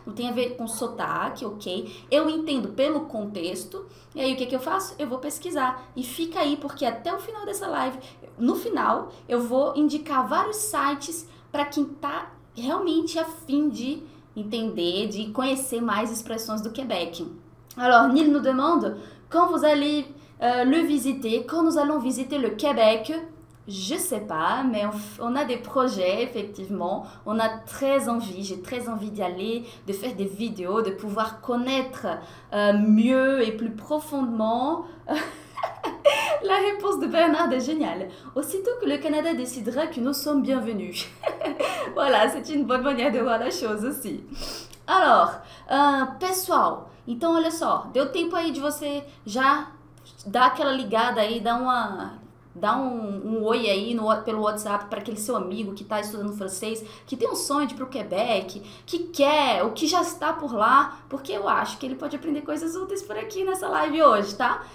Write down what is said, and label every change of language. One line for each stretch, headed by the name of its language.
Portuguese: Não tem a ver com sotaque, ok? Eu entendo pelo contexto, e aí o que que eu faço? Eu vou pesquisar. E fica aí, porque até o final dessa live, no final, eu vou indicar vários sites para quem tá realmente a fim de entender, de conhecer mais expressões do Quebec.
French: Alors, Neil nous demande, quand vous allez le visiter, quand nous allons visiter le Québec, je sais pas, mais on a des projets, effectivement, on a très envie, j'ai très envie d'y aller, de faire des vidéos, de pouvoir connaître mieux et plus profondément. La réponse de Bernard est géniale. Aussitôt que le Canada décidera que nous sommes bienvenus. Voilà, c'est une bonne manière de voir la chose aussi.
Portuguese: Alors, pessoal, então olha só, deu tempo aí de você já dar aquela ligada aí, dar um oi aí pelo WhatsApp para aquele seu amigo que está estudando francês, que tem um sonho de ir para o Quebec, que quer, ou que já está por lá, porque eu acho que ele pode aprender coisas úteis por aqui nessa live hoje, tá?